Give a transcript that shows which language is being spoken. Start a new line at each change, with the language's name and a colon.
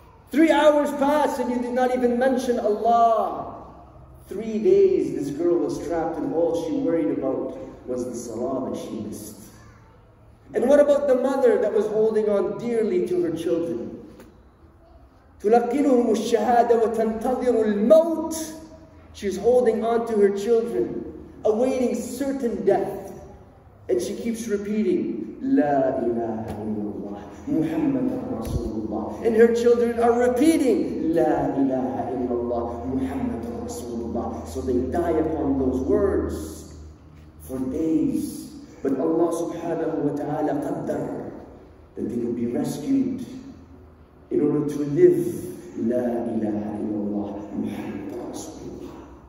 English: 3 hours pass and you did not even mention Allah. 3 days this girl was trapped and all she worried about was the salah that she missed. And what about the mother that was holding on dearly to her children?
Arabic: تلقنهم الشهادة وتنتظر الموت.
English: She's holding on to her children, awaiting certain death. And she keeps repeating,
Arabic: لا إله إلا محمد رسول الله.
English: And her children are repeating,
Arabic: لا إله إلا الله محمد رسول الله.
English: So they die upon those words for days. But Allah subhanahu wa ta'ala qaddar that they will be rescued in order to live.
Arabic: La ilaha illallah Muhammad Rasulullah.